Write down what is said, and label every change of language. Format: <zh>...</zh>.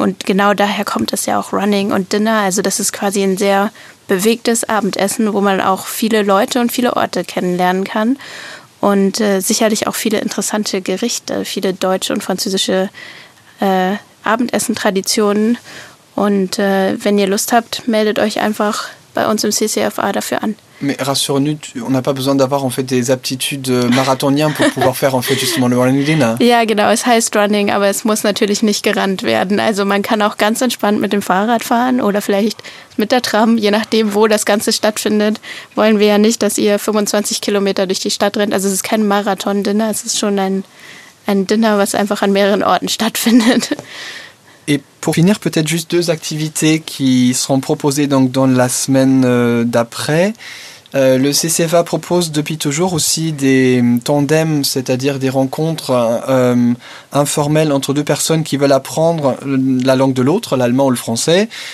<de>Und genau daher kommt es ja auch Running und Dinner. Also das ist quasi ein sehr bewegtes Abendessen, wo man auch viele Leute und viele Orte kennenlernen kann. Und sicherlich auch viele interessante Gerichte, viele deutsche und französische Abendessen-Traditionen. Und wenn ihr Lust habt, meldet euch einfach bei uns im CCFA dafür an.</de> <fr>Mais rassure-nous, on n'a pas besoin d'avoir en fait des aptitudes marathoniennes pour pouvoir faire en fait justement le running dinner.</fr> <de>Ja, genau, es heißt running, aber es muss natürlich nicht gerannt werden. Also man kann auch ganz entspannt mit dem Fahrrad fahren oder vielleicht mit der Tram, je nachdem, wo das Ganze stattfindet. Wollen wir ja nicht, dass ihr 25 Kilometer durch die Stadt rennt. Also es ist kein Marathon-Dinner, es ist schon ein Dinner, was einfach an mehreren Orten stattfindet.</de> <fr>Et pour finir, peut-être juste deux activités qui seront proposées donc dans la semaine d'après. Le CCFA propose depuis toujours aussi des tandems, c'est-à-dire des rencontres informelles entre deux personnes qui veulent apprendre la langue de l'autre, l'allemand ou le français.</fr>